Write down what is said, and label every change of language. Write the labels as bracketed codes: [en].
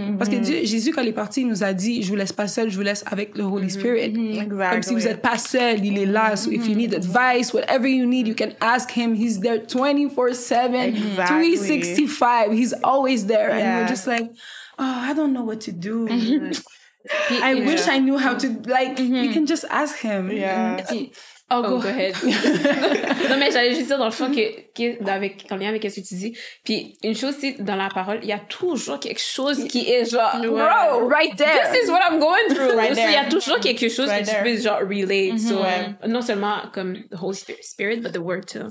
[fr] Parce que Dieu, Jésus, quand il est parti, il nous a dit, je vous laisse pas seul, je vous laisse avec le Holy Spirit. [en] Exactly. [fr] Comme si vous êtes pas seul, il est là. [en] So if you need advice, whatever you need, you can ask him. He's there 24/7, 365. He's always there. Yeah. And we're just like, oh, I don't know what to do. I wish I knew how to, like, you can just ask him. Yeah. Go ahead. [fr] Non, mais j'allais juste dire dans le fond qu'en lien avec ce que tu dis. Puis une chose, c'est dans la parole, il y a toujours quelque chose qui est genre, [en] bro, right there. This is what I'm going through. Right there. [fr] Il y a toujours quelque chose que tu peux genre relate. Mm-hmm. [en] So, [fr] non seulement comme [en] the Holy Spirit, but the word too.